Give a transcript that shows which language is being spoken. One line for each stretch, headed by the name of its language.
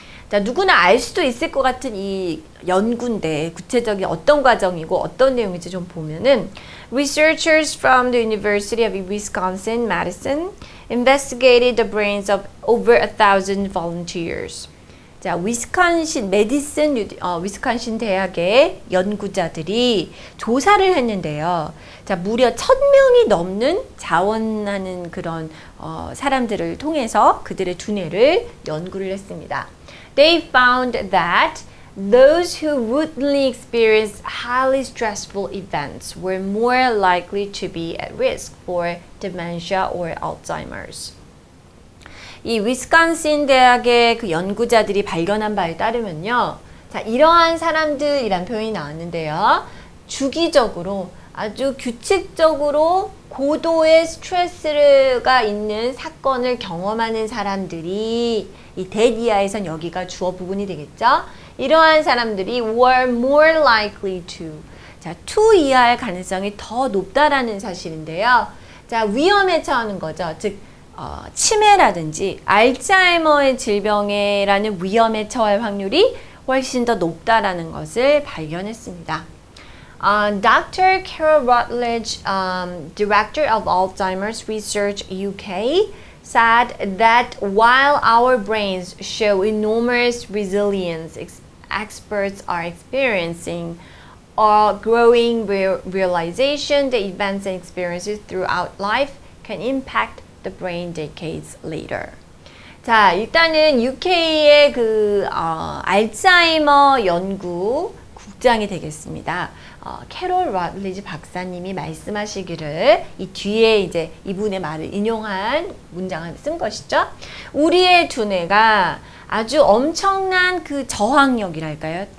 Korean: 자 누구나 알 수도 있을 것 같은 이 연구인데 구체적인 어떤 과정이고 어떤 내용인지 좀 보면은
English: Researchers from the University of Wisconsin-Madison investigated the brains of over 1,000 volunteers.
Korean: 자, 위스콘신 메디슨 위스콘신 대학의 연구자들이 조사를 했는데요. 자, 무려 1,000명이 넘는 자원하는 그런 사람들을 통해서 그들의 두뇌를 연구를 했습니다.
English: They found that those who routinely experienced highly stressful events were more likely to be at risk for dementia or Alzheimer's.
Korean: 이 위스콘신 대학의 그 연구자들이 발견한 바에 따르면요. 자, 이러한 사람들이란 표현이 나왔는데요. 주기적으로 아주 규칙적으로 고도의 스트레스가 있는 사건을 경험하는 사람들이 이 데디아에선 여기가 주어 부분이 되겠죠. 이러한 사람들이
English: were more likely to.
Korean: 자, to 이하의 가능성이 더 높다라는 사실인데요. 자, 위험에 처하는 거죠. 즉, 치매라든지 알츠하이머의 질병이라는 위험에 처할 확률이 훨씬 더 높다라는 것을 발견했습니다.
English: Dr. Carol Rutledge, Director of Alzheimer's Research UK, said that while our brains show enormous resilience, experts are experiencing a growing realization that events and experiences throughout life can impact the brain decades later.
Korean: 자, 일단은 UK의 그 알츠하이머 연구 6장이 되겠습니다. 캐롤 러틀리지 박사님이 말씀하시기를 이 뒤에 이제 이분의 말을 인용한 문장을 쓴 것이죠. 우리의 두뇌가 아주 엄청난 그 저항력이랄까요?